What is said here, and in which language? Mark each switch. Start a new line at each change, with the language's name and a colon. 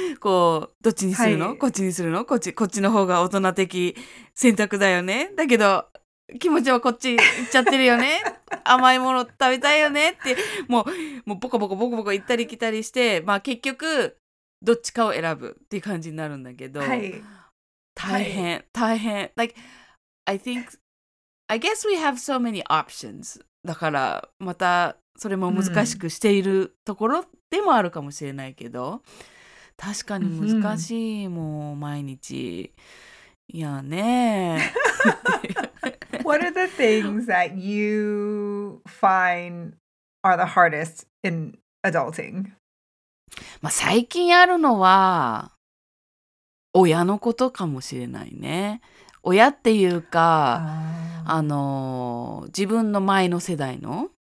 Japanese: こう、どっちにするの、こっちにするの、こっちの方が大人的選択だよね。だけど、気持ちはこっち行っちゃってるよね。甘いもの食べたいよねって、もうボコボコボコボコ行ったり来たりして、まあ結局、どっちかを選ぶっていう感じになるんだけど、はい、大変、はい、大変。
English: Like, I think, I guess we have so many options.
Japanese: だから、また、それも難しくしているところでもあるかもしれないけど、うん、確かに難しい、うん、もう毎日いやね。
English: What are the things that you find are the hardest in adulting?
Japanese: まあ最近あるのは親のことかもしれないね。親っていうか、あの自分の前の世代の。